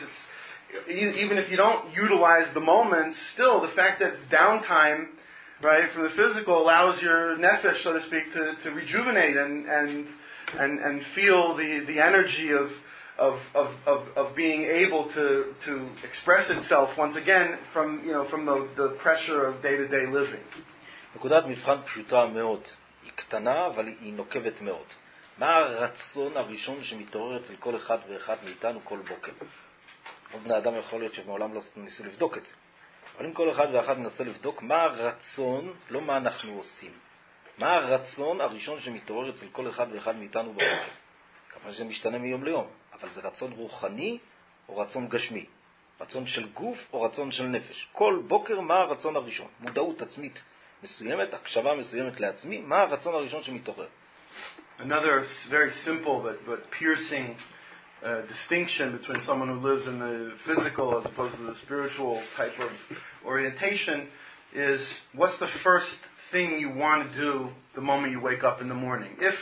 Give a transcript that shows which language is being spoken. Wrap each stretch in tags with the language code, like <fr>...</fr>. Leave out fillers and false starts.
<en>It's, even if you don't utilize the moment, still the fact that downtime right? From the physical allows your nefesh, so to speak, to rejuvenate and feel the energy of being able to express itself once again from, you know, from the pressure of day to day living.</en> <he>נקודת מבחן פשוטה מאוד, היא קטנה אבל היא נוקבת מאוד. מה הרצון הראשון שמתעורר אצל כל אחד ואחד מאיתנו כל בוקר? עוד בני אדם יכול להיות שמעולם לא ניסו לבדוק את זה. אבל אם כל אחד ואחד ננסה לבדוק מה הרצון, לא מה אנחנו עושים. מה הרצון הראשון שמתעורר אצל כל אחד ואחד מאיתנו בבוקר? כמובן שזה משתנה מיום ליום, אבל זה רצון רוחני או רצון גשמי? רצון של גוף או רצון של נפש? כל בוקר מה הרצון הראשון? מודעות עצמית מסוימת, הקשבה מסוימת לעצמי, מה הרצון הראשון שמתעורר?</he> <en>Another very simple but piercing distinction between someone who lives in the physical as opposed to the spiritual type of orientation is what's the first thing you want to do the moment you wake up in the morning?</en>